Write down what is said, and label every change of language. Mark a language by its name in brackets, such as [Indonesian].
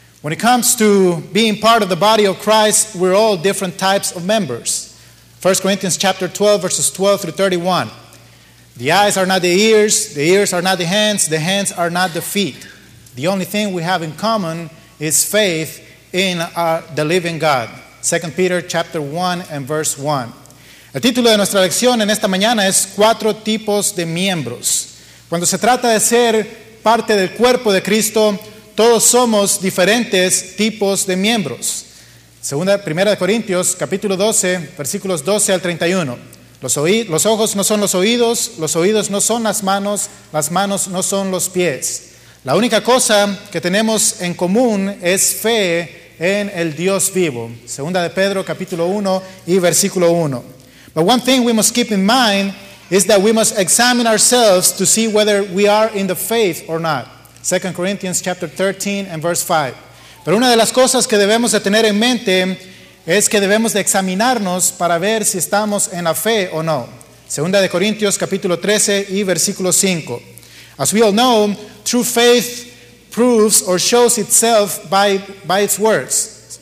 [English] When it comes to being part of the body of Christ, we're all different types of members. 1 Corinthians chapter 12, verses 12 through 31. The eyes are not the ears are not the hands are not the feet. The only thing we have in common is faith in the living God. 2 Peter chapter 1 and verse 1. [Spanish] El título de nuestra lección en esta mañana es Cuatro tipos de miembros. Cuando se trata de ser parte del cuerpo de Cristo, todos somos diferentes tipos de miembros. Segunda, primera de Corintios, capítulo 12, versículos 12 al 31. Los ojos no son los oídos no son las manos no son los pies. La única cosa que tenemos en común es fe en el Dios vivo. Segunda de Pedro, capítulo 1 y versículo 1. [English] But one thing we must keep in mind is that we must examine ourselves to see whether we are in the faith or not. 2 Corinthians chapter 13 and verse 5. [Spanish] Pero una de las cosas que debemos de tener en mente es que debemos de examinarnos para ver si estamos en la fe o no. 2 Corintios capítulo 13 y versículo 5. [English] As we all know, true faith proves or shows itself by its works.